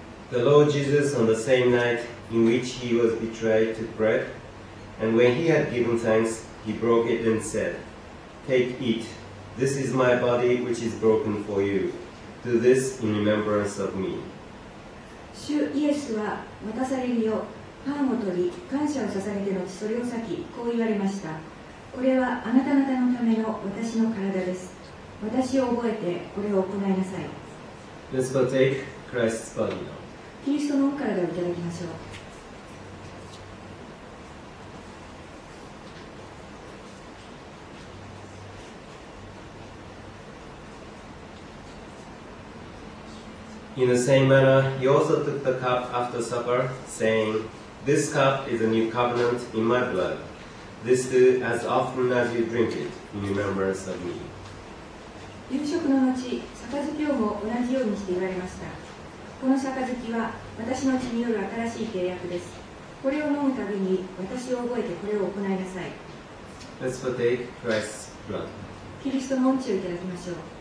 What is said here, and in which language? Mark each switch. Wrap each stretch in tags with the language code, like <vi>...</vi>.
<en>The Lord Jesus, on the same night in which he was betrayed, took bread, and when he had given thanks, he broke it and said, Take, eat. This is my body which is broken for you. Do this in remembrance of me.</en> <ja>主イエスは渡されるよ、パンを取り、感謝を捧げてのちそれを裂き、こう言われました。これはあなた方のための私の体です。私を覚えてこれを行いなさい。</ja> <en>Let's partake Christ's body now.</en> <ja>キリストの御体をいただきましょう。</ja> <en>In the same manner, he also took the cup after supper, saying, This cup is a new covenant in my blood. This do as often as you drink it, in remembrance of me.</en> <ja>夕食の後、杯をも同じようにして言われました。この杯は私の血による新しい契約です。これを飲むたびに私を覚えてこれを行いなさい。</ja> <en>Let's partake Christ's blood.</en> <ja>キリストの血をいただきましょう。</ja>